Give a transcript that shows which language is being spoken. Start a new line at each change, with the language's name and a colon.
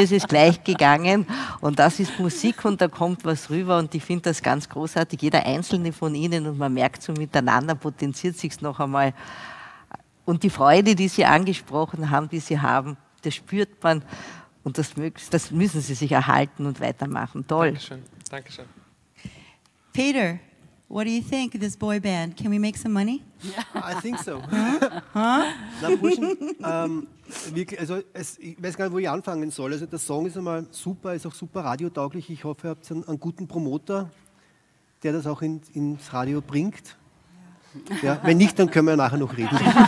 German: Mir ist es gleich gegangen. Und das ist Musik und da kommt was rüber. Und ich finde das ganz großartig. Jeder Einzelne von Ihnen und man merkt so miteinander, potenziert sich es noch einmal. Und die Freude, die Sie angesprochen haben, die Sie haben, das spürt man. Und das müssen Sie sich erhalten und weitermachen. Toll. Dankeschön. Dankeschön.
English: Peter, what do you think of this boy band? Can we make some money? Yeah. I think so. Huh?
German: Na, Burschen, ich weiß gar nicht, wo ich anfangen soll. Also der Song ist einmal super, ist auch super radiotauglich. Ich hoffe, ihr habt einen guten Promoter, der das auch ins Radio bringt. Ja, wenn nicht, dann können wir nachher noch reden.